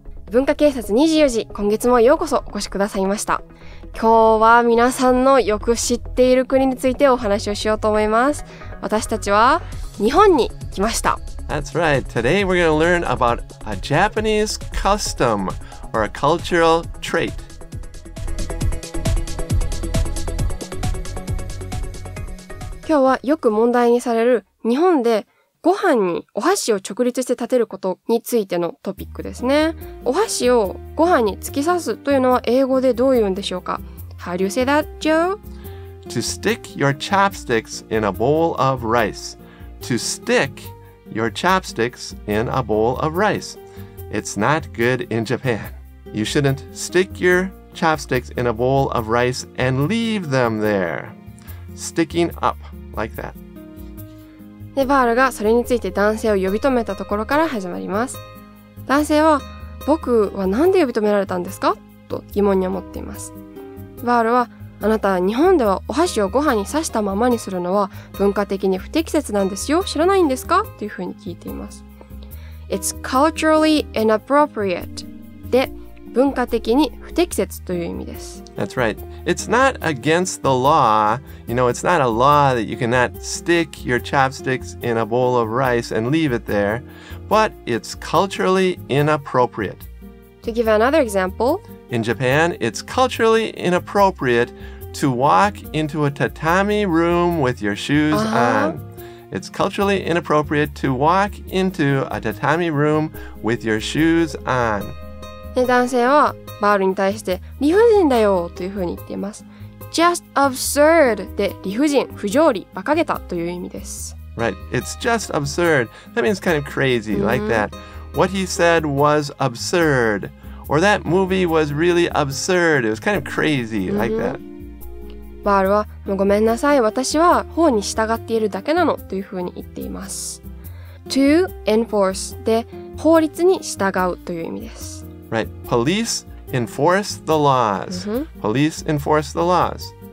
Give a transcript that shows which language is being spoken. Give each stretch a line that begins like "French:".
Japanese: 文化警察24時、今月もようこそお越しくださいました。今日は皆さんのよく知っている国についてお話をしようと思います。私たちは日本に来ました。
English: That's right. Today we're going to learn about a Japanese custom or a cultural trait.
Japanese: 今日はよく問題にされる日本でご飯にお箸を直立して立てることについてのトピックですね。お箸をご飯に突き刺すというのは英語でどう言うんでしょうか?
English: How do you say that, Joe? To stick your chopsticks in a bowl of rice. To stick your chopsticks in a bowl of rice. It's not good in Japan. You shouldn't stick your chopsticks in a bowl of rice and leave them there. Sticking up like that.
Japanese: で、バールがそれについて男性を呼び止めたところから始まります。男性は、僕はなんで呼び止められたんですか?と疑問に思っています。バールは、あなた、日本ではお箸をご飯に刺したままにするのは文化的に不適切なんですよ。知らないんですか? というふうに聞いています。
English: It's culturally inappropriate.
Japanese: で、文化的に不適切という意味です。
English: That's right. It's not against the law. You know, it's not a law that you cannot stick your chopsticks in a bowl of rice and leave it there. But it's culturally inappropriate. To give another example. In Japan, it's culturally inappropriate to walk into a tatami room with your shoes on. It's culturally inappropriate to walk into a tatami room with your shoes on.
Japanese: で、男性はバールに対して理不尽だよというふうに言っています。
English: Just absurd
Japanese: で理不尽、不条理、馬鹿げたという意味です。
English: Right. It's just absurd. That means kind of crazy, like that. What he said was absurd. Or that movie was really absurd. It was kind of crazy, like that.
Japanese: バールは、もうごめんなさい、私は法に従っているだけなのというふうに言っています。
English: To enforce
Japanese: で法律に従うという意味です。
English: Right. Police enforce the laws. Police enforce the laws.